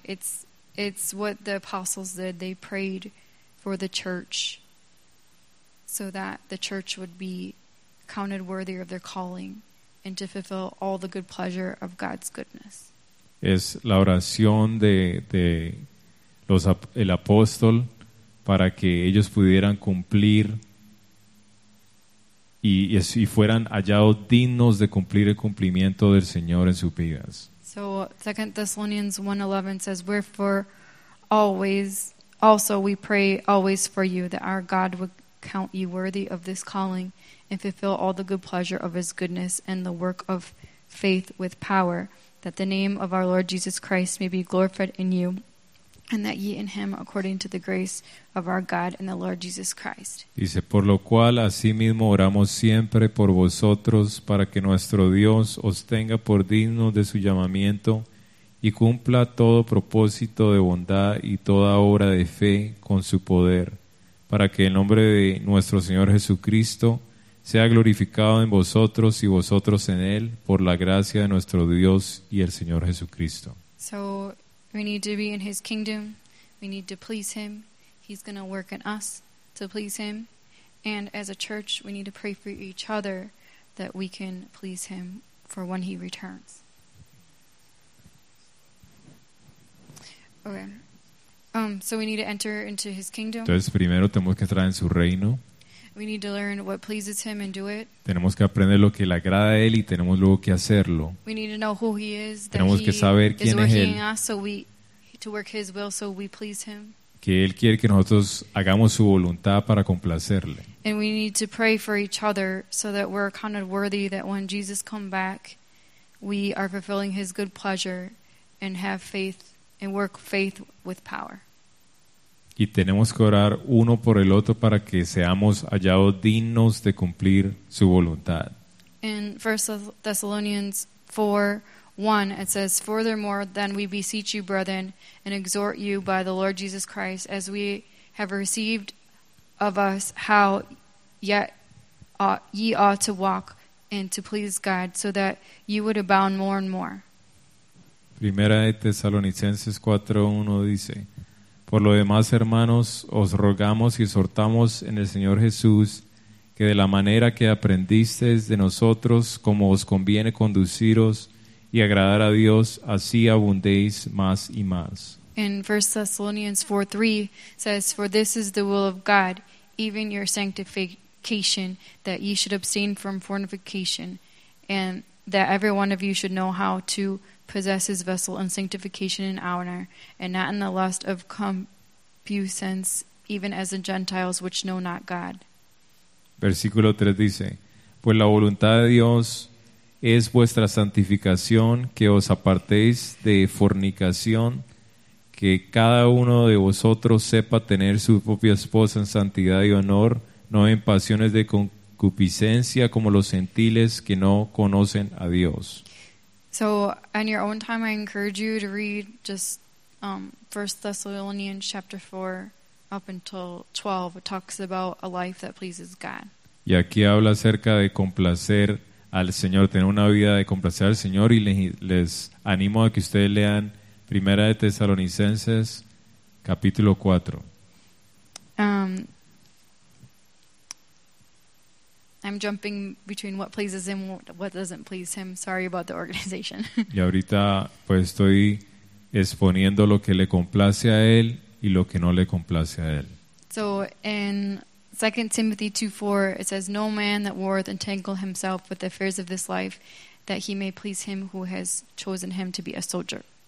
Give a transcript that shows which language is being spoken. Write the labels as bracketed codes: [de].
[en] It's what the apostles did. They prayed for the church so that the church would be counted worthy of their calling and to fulfill all the good pleasure of God's goodness. [es] Es la oración del apóstol para que ellos pudieran cumplir y fueran hallados dignos de cumplir el cumplimiento del Señor en sus vidas. [en] So 2 Thessalonians 1:11 says, "Wherefore always also we pray always for you, that our God would count you worthy of this calling and fulfill all the good pleasure of his goodness and the work of faith with power, that the name of our Lord Jesus Christ may be glorified in you, and that ye in him according to the grace of our God and the Lord Jesus Christ. [es] Dice, por lo cual asimismo oramos siempre por vosotros, para que nuestro Dios os tenga por digno de su llamamiento, y cumpla todo propósito de bondad y toda obra de fe con su poder, para que el nombre de nuestro Señor Jesucristo sea glorificado en vosotros y vosotros en él, por la gracia de nuestro Dios y el Señor Jesucristo. [en] So, we need to be in his kingdom. We need to please him. He's going to work in us to please him. And as a church, we need to pray for each other that we can please him for when he returns. Okay. So we need to enter into his kingdom. [es] Entonces, primero tenemos que entrar en su reino. [en] We need to learn what pleases him and do it. [es] Tenemos que aprender lo que le agrada a él y tenemos luego que hacerlo. [en] We need to know who he is. [es] Tenemos [en] he [es] que saber quién es él. [en] To work his will so we please him. [es] Que él quiere que nosotros hagamos su voluntad para complacerle. [en] And we need to pray for each other so that we're counted worthy that when Jesus come back, we are fulfilling his good pleasure and have faith and work faith with power. [es] Y tenemos que orar uno por el otro para que seamos hallados dignos de cumplir su voluntad. [en] In 1 Thessalonians 4:1, it says, furthermore, then we beseech you, brethren, and exhort you by the Lord Jesus Christ, as we have received of us, how yet ye ought to walk and to please God, so that you would abound more and more. [es] Primera de Tesalonicenses 4:1 dice, por lo demás, hermanos, os rogamos y exhortamos en el Señor Jesús que de la manera que aprendisteis de nosotros, como os conviene conduciros y agradar a Dios, así abundéis más y más. [en] In 1 Thessalonians 4:3 says, for this is the will of God, even your sanctification, that ye should abstain from fornication, and that every one of you should know how to possess his vessel in sanctification and honor, and not in the lust of concupiscence, even as the Gentiles which know not God. [es] Versículo 3 dice, pues la voluntad de Dios es vuestra santificación, que os apartéis de fornicación, que cada uno de vosotros sepa tener su propia esposa en santidad y honor, no en pasiones de concupiscencia como los gentiles que no conocen a Dios. [en] So, on your own time, I encourage you to read just 1 Thessalonians chapter 4 up until 12. It talks about a life that pleases God. [es] Y aquí habla acerca de complacer al Señor, tener una vida de complacer al Señor. Y les animo a que ustedes lean 1 de Tesalonicenses capítulo 4. [en] I'm jumping between what pleases him and what doesn't please him. Sorry about the organization. [es] Y ahorita pues estoy exponiendo lo que le complace a él y lo que no le complace a él. [en] So in 2 Timothy 2:4 it says, no man that warreth entangle himself with the affairs of this life, that he may please him who has chosen him to be a soldier.